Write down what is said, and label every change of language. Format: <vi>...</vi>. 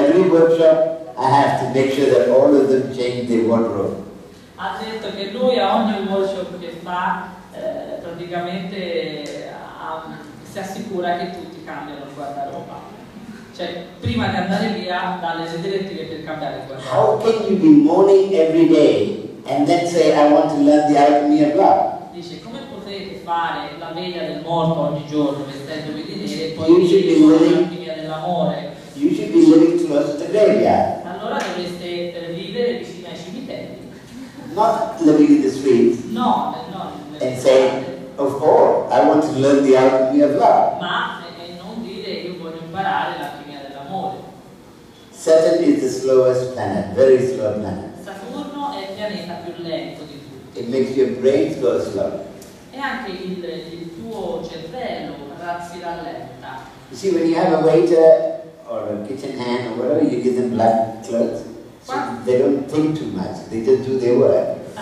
<en>workshop, I have to make sure that all of them change their wardrobe.</en> <it>Ha detto che lui a ogni workshop che fa, praticamente si assicura che tutti cambiano il guardaroba. Cioè, prima di andare via, dà le direttive per cambiare il guardaroba.</it> <en>How can you be mourning every day and then say, I want to learn the alchemy of love?</en> <it>Dice, come potete fare la veglia del morto ogni giorno vestendovi di nero e poi dire l'alchimia dell'amore?</it> <en>You should be living towards the graveyard.</en> <it>Allora dovreste vivere vicino ai cimiteri.</it> <en>Not living in the streets.</en> <it>No, no.</it> <en>And say, of course, I want to learn the alchemy of love.</en> <it>Ma e non dire io voglio imparare l'alchimia dell'amore.</it> <en>Saturn is the slowest planet, very slow planet.</en> <it>Saturno è il pianeta più lento di tutti.</it> <en>It makes your brain go slow.</en> <it>E anche il tuo cervello si rallenta.</it> <en>You see, when you have a waiter or a kitchen hand or whatever, you give them black clothes. So they don't think too much, they just do their work.</en>